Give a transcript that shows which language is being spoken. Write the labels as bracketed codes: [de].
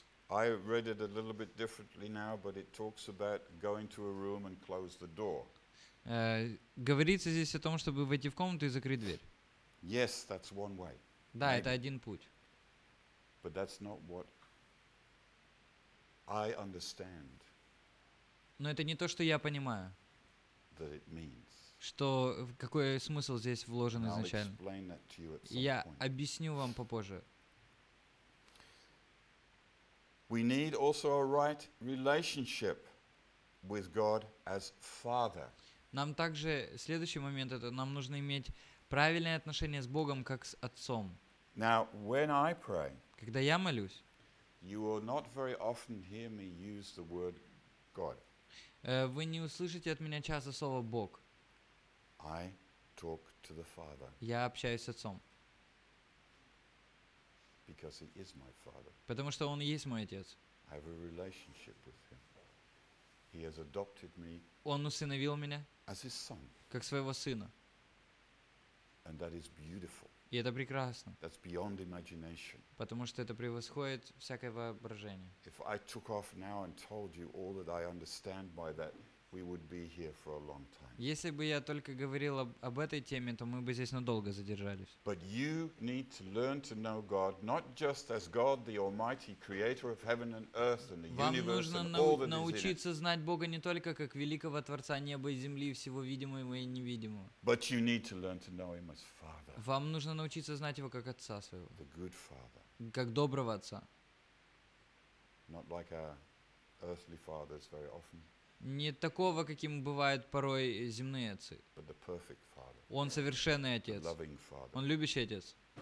[en] I read it a little bit differently now, but it talks about going to a room and close the door. [ru] Говорится здесь о том, чтобы войти в комнату и закрыть дверь. [en] Yes, that's one way. [ru] Да, это один путь. [en] But that's not what I understand. [ru] Но это не то, что я понимаю. [en] That it means. [ru] Что, какой смысл здесь вложен изначально? Я объясню вам попозже. [en] We need also a right relationship with God as Father. [ru] Нам также следующий момент это нам нужно иметь правильное отношение с Богом как с Отцом. [en] Now, when I pray, [ru] когда я молюсь, [en] you will not very often hear me use the word God. [ru] Вы не услышите от меня часто слово Бог. [en] I talk to the Father. [ru] Я общаюсь с Отцом. [en] Because he is my father. [ru] Потому что он и есть мой отец. [en] I have a relationship with him. He has adopted me. [ru] Он усыновил меня. [en] As his son. [ru] Как своего сына. [en] And that is beautiful. [ru] И это прекрасно. [en] That's beyond imagination. [ru] Потому что это превосходит всякое воображение. [en] If I took off now and told you all that I understand by that, we would be here for a long time. [ru] Если бы я только говорил об этой теме, то мы бы здесь надолго задержались. [en] But you need to learn to know God not just as God, the Almighty Creator of heaven and earth and the universe and all that is in it. [ru] Вам нужно научиться знать Бога не только как великого Творца неба и земли, всего видимого и невидимого. [en] But you need to learn to know Him as Father. [ru] Вам нужно научиться знать Его как Отца своего. [en] The good Father. [ru] Как доброго Отца. [en] Not like our earthly fathers very often. [ru] Не такого, каким бывают порой земные отцы. Он совершенный отец. Он любящий отец.